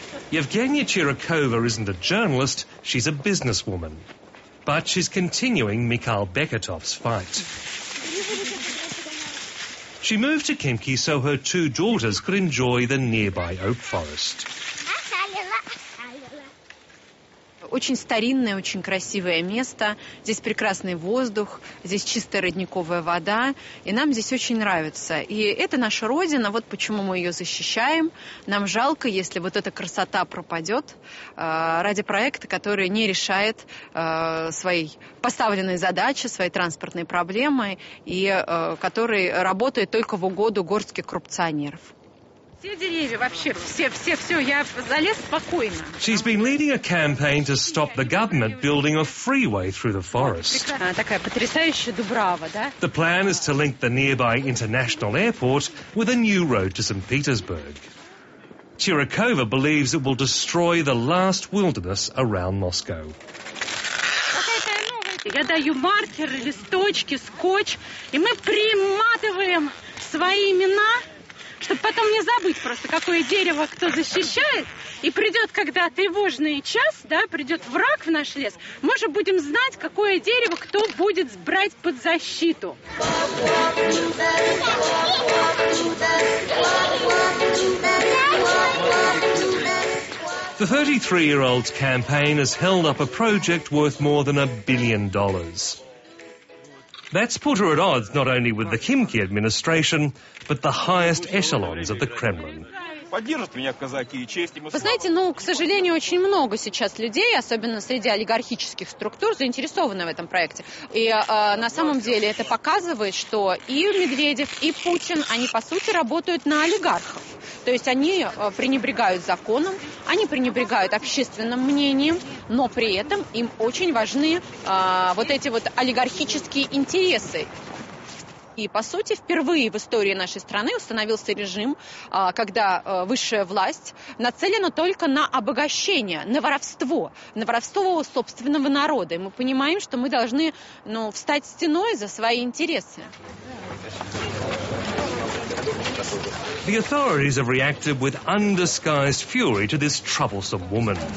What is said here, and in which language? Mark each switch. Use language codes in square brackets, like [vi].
[en] Yevgenia Chirikova isn't a journalist, she's a businesswoman. But she's continuing Mikhail Beketov's fight. She moved to Khimki so her two daughters could enjoy the nearby oak forest. [ru] Очень старинное, очень красивое место. Здесь прекрасный воздух, здесь чистая родниковая вода. И нам здесь очень нравится. И это наша родина, вот почему мы ее защищаем. Нам жалко, если вот эта красота пропадет ради проекта, который не решает свои поставленные задачи, свои транспортные проблемы, и который работает только в угоду горстки коррупционеров. [en] She's been leading a campaign to stop the government building a freeway through the forest. The plan is to link the nearby international airport with a new road to St. Petersburg. Chirikova believes it will destroy the last wilderness around Moscow. [ru] Я даю маркеры, листочки, скотч, и мы приматываем свои имена. Чтобы потом не забыть просто, какое дерево кто защищает, и придет когда тревожный час, да, придет враг в наш лес, мы же будем знать, какое дерево кто будет брать под защиту. [en] The 33-year-old's campaign has held up a project worth more than $1 billion. That's put her at odds not only with the Kimki administration, but the highest echelons of the Kremlin. [ru] Вы знаете, ну, к сожалению, очень много сейчас людей, особенно среди олигархических структур, заинтересованы в этом проекте. И на самом деле это показывает, что и Медведев, и Путин, они по сути работают на олигархов. То есть они пренебрегают законом, они пренебрегают общественным мнением, но при этом им очень важны вот эти вот олигархические интересы. И, по сути, впервые в истории нашей страны установился режим, когда высшая власть нацелена только на обогащение, на воровство у собственного народа. И мы понимаем, что мы должны, ну, встать стеной за свои интересы. [en] The authorities have reacted with undisguised fury to this troublesome woman.